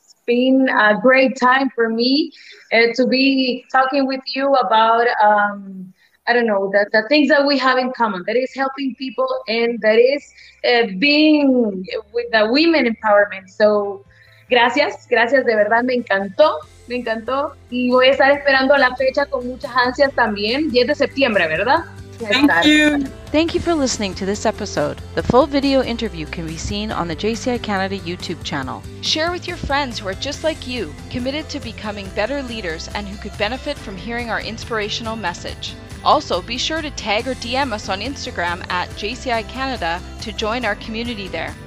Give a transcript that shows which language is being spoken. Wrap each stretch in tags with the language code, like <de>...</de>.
<en>Been a great time for me to be talking with you about, I don't know, the things that we have in common, that is helping people and that is being with the women empowerment.</en> <es>So, gracias, de verdad, me encantó. Y voy a estar esperando la fecha con muchas ansias también, 10 de septiembre, ¿verdad?</es> <en>Thank you for listening to this episode. The full video interview can be seen on the JCI Canada YouTube channel. Share with your friends who are just like you, committed to becoming better leaders and who could benefit from hearing our inspirational message. Also, be sure to tag or DM us on Instagram at JCI Canada to join our community there.</en>